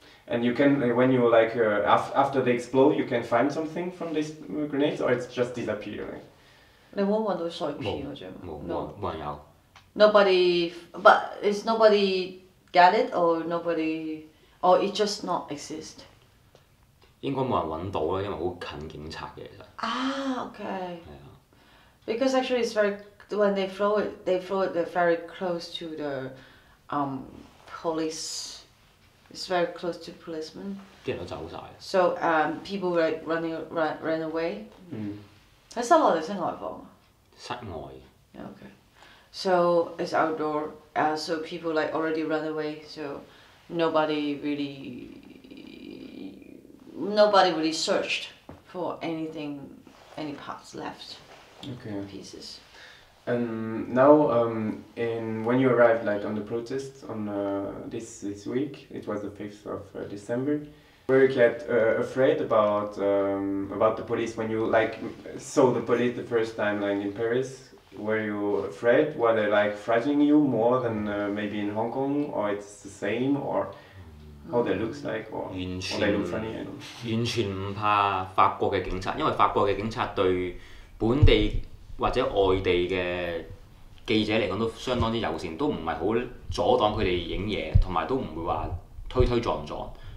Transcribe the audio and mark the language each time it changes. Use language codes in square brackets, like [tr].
[en] And you can, when you like, after they explode, you can find something from these grenades, or it's just disappearing. [yue] 你會揾到碎片嗰張冇冇人有。 [en] Nobody, but is nobody get it or nobody or it just not exist? [yue] 應該冇人揾到啦，因為好近警察嘅其實。 [en] Okay. Because actually, it's very when they throw it, they're very close to the police. It's very close to policemen. [yue] 啲人都走曬。 [en] So people were like running away. Mm. [yue] 喺室內定室外放？室外。 [en] Okay, so it's outdoor. So people like already run away. So nobody really searched for anything, any parts left. Okay. Pieces. And now, when you arrived, like on the protest on this week, it was the 5th of December. Were you get afraid about the police when you like saw the police the first time, like in Paris? Were you afraid? Were they like frightening you more than maybe in Hong Kong, or it's the same, or how they looks like, or they look funny? [yue] 完全唔怕法國嘅警察，因為法國嘅警察對本地或者外地嘅記者嚟講都相當之友善，都唔係好阻擋佢哋影嘢，同埋都唔會話推推撞撞。